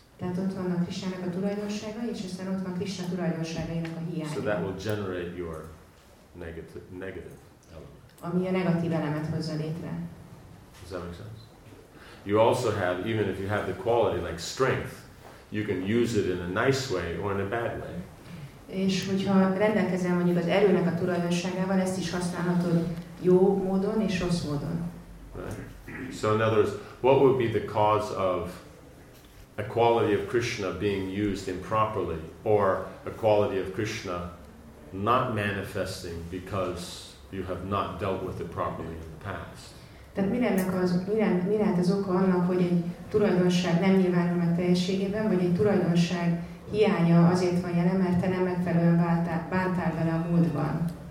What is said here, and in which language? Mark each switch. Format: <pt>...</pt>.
<hu>Tehát ott vannak Krishnának a tulajdonságai, és aztán ott van Krishna tulajdonságainak a hiánya.</hu> <en>So that will generate your negative element.</en> <hu>Ami a negatív elemet hozza létre.</hu> <en>Does that make sense? You also have, even if you have the quality like strength, you can use it in a nice way or in a bad way.</en> <hu>És hogyha rendelkezel mondjuk az erőnek a tulajdonságával, ezt is használhatod jó módon és rossz módon.</hu> <en>Right. So in other words, what would be the cause of a quality of Krishna being used improperly or a quality of Krishna not manifesting because you have not dealt with it properly in the past?</en> <hu>Tehát mi lehet az oka annak, hogy egy tulajdonság nem nyilvánul meg teljességében, vagy egy tulajdonság hiánya azért van jelen, mert te nem megfelelően bántál vele a múltban.</hu>